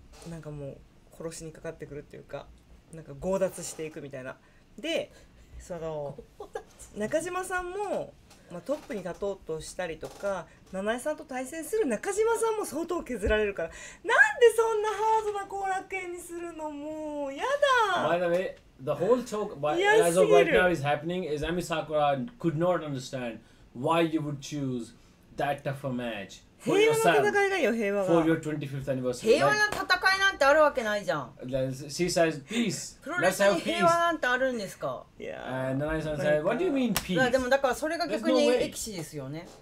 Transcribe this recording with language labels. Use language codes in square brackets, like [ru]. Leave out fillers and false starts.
[ja] なんかもう殺しにかかってくるっていうか、なんか強奪していくみたいな。でその中島さんも、まあ、トップに立とうとしたりとか、七井さんと対戦する中島さんも相当削られるから、なんでそんなハードな後楽園にするの、もうやだ。 [en] By the way, the whole talk by, as of right now is happening is Emi Sakura could not understand why you would choose that tough a match for yourself, [ja] 平和の戦いだよ、平和が。 [en] for your 25th anniversary. [ja] 平和の戦いなんてあるわけないじゃん。 [en] She says, peace. [ja] プロレスに平和なんてあるんですか。 [en] And Nanai さん says, what do you mean peace? [ja] でもだからそれが逆に歴史ですよね。